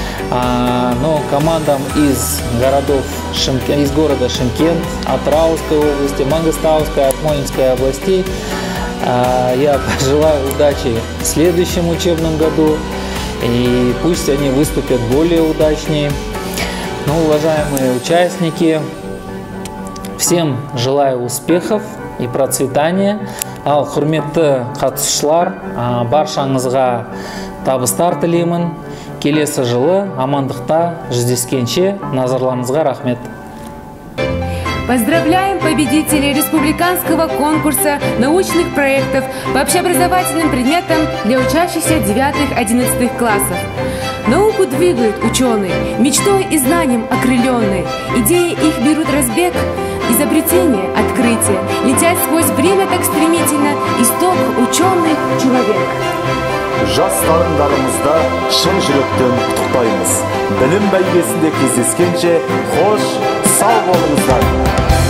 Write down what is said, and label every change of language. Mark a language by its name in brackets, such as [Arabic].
[Russian] Но командам из города Шымкент, Атырауской области, Мангыстауской, Акмолинской областей я пожелаю удачи в следующем учебном году, и пусть они выступят более удачнее. Ну, уважаемые участники, всем желаю успехов и процветания. [Kazakh] Ал хурметті қатысушылар, баршаңызға табыстар тілеймін. келесі жылы амандықта жүздескенше назарларыңызға рахмет. [Russian] Поздравляем победителей республиканского конкурса научных проектов по общеобразовательным предметам для учащихся 9-11 классов. Науку двигают ученые, мечтой и знанием окрыленные. Идеи их берут разбег, изобретения, открытия. Летят сквозь время так стремительно, исток ученый человек. [Kazakh] Жастарындарымызда шын жүректен құттықтаймыз. Білім бәйгесінде кездескенше, хош, сау болыңыздар!